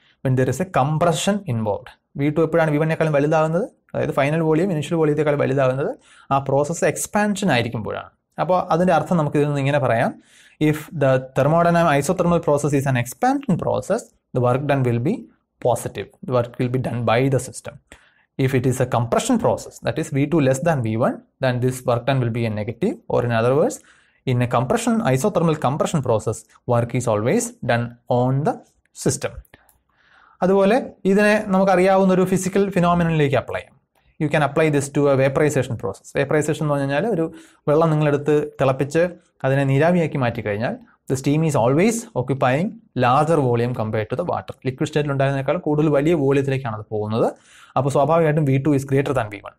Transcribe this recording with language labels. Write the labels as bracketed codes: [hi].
[en] When there is a compression involved. [ml] V two എപ്പോഴാണ് V വണ്ണിനേക്കാൾ വലുതാകുന്നത്, അതായത് final volume initial വോളിയത്തേക്കാൾ വലുതാകുന്നത്? ആ process expansion ആയിരിക്കുമ്പോഴാണ്. അപ്പോൾ അതിൻ്റെ അർത്ഥം നമുക്കിതിൽ നിന്ന് ഇങ്ങനെ പറയാം. [en] If the thermodynamic isothermal process is an expansion process, the work done will be positive, the work will be done by the system. If it is a compression process, that is V2 less than V1, then this work done will be a negative. Or in other words, in a compression, isothermal compression process, work is always done on the system. [ml] അതുപോലെ ഇതിനെ നമുക്കറിയാവുന്ന ഒരു physical ഫിനോമിനലിലേക്ക് apply ചെയ്യാം. [en] You can apply this to a vaporisation process. [ml] Vaporisation എന്ന് പറഞ്ഞു കഴിഞ്ഞാൽ ഒരു വെള്ളം നിങ്ങളെടുത്ത് തിളപ്പിച്ച് അതിനെ നീരാവിയാക്കി മാറ്റിക്കഴിഞ്ഞാൽ [en] The steam is always occupying larger volume compare to the water. [ml] Liquid സ്റ്റേറ്റിലുണ്ടായതിനേക്കാൾ കൂടുതൽ വലിയ വോളിയത്തിലേക്കാണ് അത് പോകുന്നത്. അപ്പോൾ സ്വാഭാവികമായിട്ടും [en] V two is greater than V one.